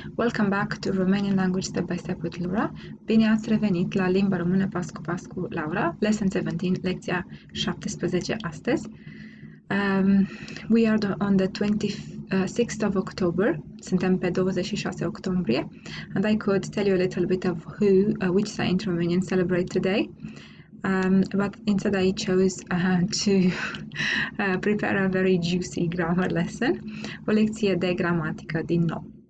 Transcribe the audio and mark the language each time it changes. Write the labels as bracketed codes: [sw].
[en] Welcome back to Romanian Language Step by Step with Laura. [ro] Bine ați revenit la Limba Română Pas cu Pas cu Laura, [en] Lesson 17, [ro] lecția 17 astăzi. [en] We are on the 26th of October. [ro] Suntem pe 26 octombrie. [en] And I could tell you a little bit of who, which saint Romanians celebrate today. But instead I chose to prepare a very juicy grammar lesson, [ro] o lecție de gramatică din nou.